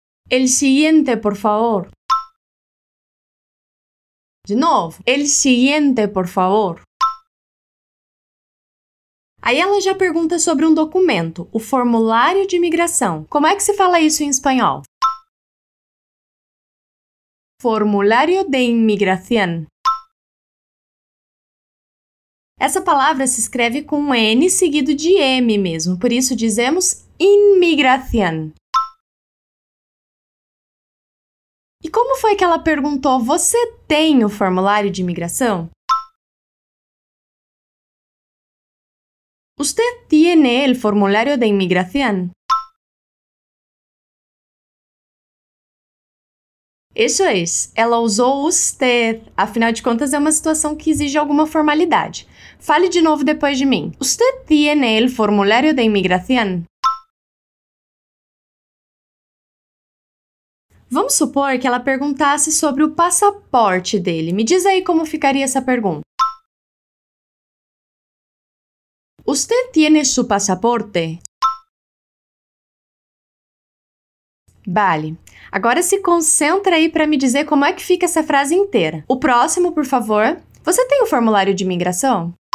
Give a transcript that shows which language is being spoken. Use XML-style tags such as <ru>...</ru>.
<es>El siguiente, por favor.</es> <pt>De novo.</pt> <es>El siguiente, por favor.</es> <pt>Aí ela já pergunta sobre um documento, o formulário de imigração. Como é que se fala isso em espanhol?</pt> <es>Formulario de inmigración.</es> <pt>Essa palavra se escreve com um N seguido de M mesmo, por isso dizemos inmigración. E como foi que ela perguntou, você tem o formulário de imigração?</pt> <es>¿Usted tiene el formulario de inmigración? Eso es.</es> <pt>Ela usou usted. Afinal de contas, é uma situação que exige alguma formalidade. Fale de novo depois de mim.</pt> <es>¿Usted tiene el formulario de inmigración?</es> <pt>Vamos supor que ela perguntasse sobre o passaporte dele. Me diz aí como ficaria essa pergunta.</pt> <es>¿Usted tiene su pasaporte? Vale.</es> <pt>Agora se concentra aí para me dizer como é que fica essa frase inteira. O próximo, por favor. Você tem o formulário de imigração?</pt>